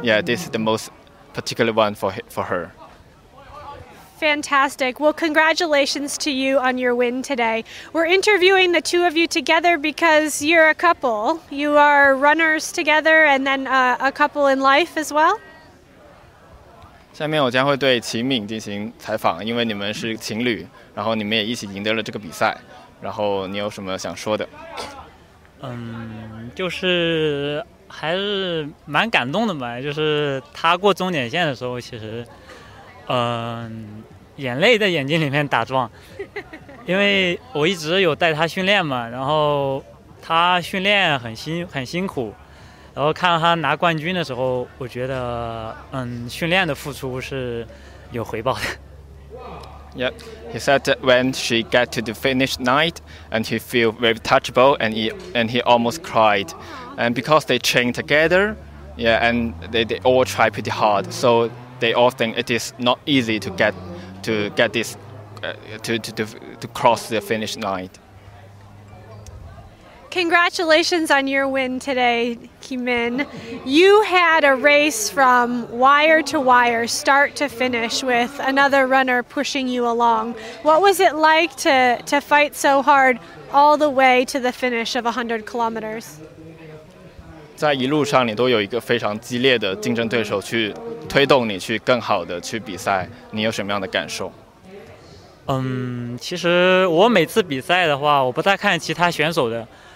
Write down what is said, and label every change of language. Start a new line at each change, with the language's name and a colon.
English: Yeah, this is the most particular one for her. Fantastic. Well, congratulations to you on your win today. We're interviewing the two of you together because you're a couple. You are runners together and then a couple in life as well.
Chinese: 下面我将会对秦敏进行采访，因为你们是情侣。然后你们也一起赢得了这个比赛，然后你有什么想说的？就是还是蛮感动的嘛，就是他过终点线的时候，其实，眼泪在眼睛里面打转，因为我一直有带他训练嘛，然后他训练很辛苦，然后看到他拿冠军的时候，我觉得，训练的付出是有回报的。
English: Yep. He said that when she got to the finish line, and he feel very touchable, and he almost cried. And because they train together, yeah, and they all try pretty hard. So they all think it is not easy to get this to cross the finish line. Congratulations on your win today, Kimin. You had a race from wire to wire, start to finish, with another runner pushing you along. What was it like to fight so hard all the way to the finish of 100 kilometers?
Chinese: 在一路上你都有一个非常激烈的竞争对手去推动你去更好的去比赛，你有什么样的感受？其实我每次比赛的话，我不太看其他选手的。